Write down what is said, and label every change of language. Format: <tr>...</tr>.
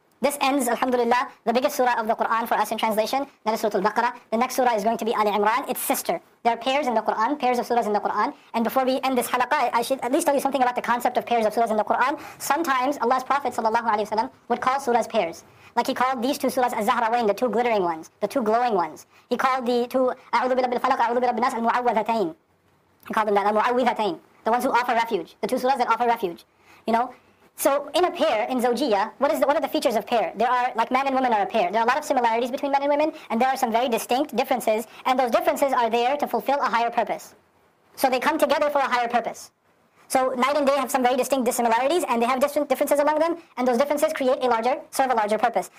<en>This ends, alhamdulillah, the biggest surah of the Qur'an for us in translation, that is Suratul Baqarah. The next surah is going to be Ali Imran, its sister. There are pairs in the Qur'an, pairs of surahs in the Qur'an. And before we end this halaqah, I should at least tell you something about the concept of pairs of surahs in the Qur'an. Sometimes Allah's Prophet ﷺ would call surahs pairs. Like he called these two surahs Az-Zahrawain, the two glittering ones, the two glowing ones. He called the two,</en> <ar>أَعُوذُ بِرَبِّ الْفَلَقِ أَعُوذُ بِرَبِّ النَّاسِ الْمُعَوَّذَتَيْنِ.</ar> <en>He called them that, الْمُعَوَّذَتَيْنِ. The ones who offer refuge, the two surahs that offer refuge. You know? So in a pair, in Zawjiyah, what are the features of pair? There are, like man and woman are a pair. There are a lot of similarities between men and women, and there are some very distinct differences, and those differences are there to fulfill a higher purpose. So they come together for a higher purpose. So night and day have some very distinct dissimilarities, and they have different differences among them, and those differences create a larger, serve a larger purpose.</en>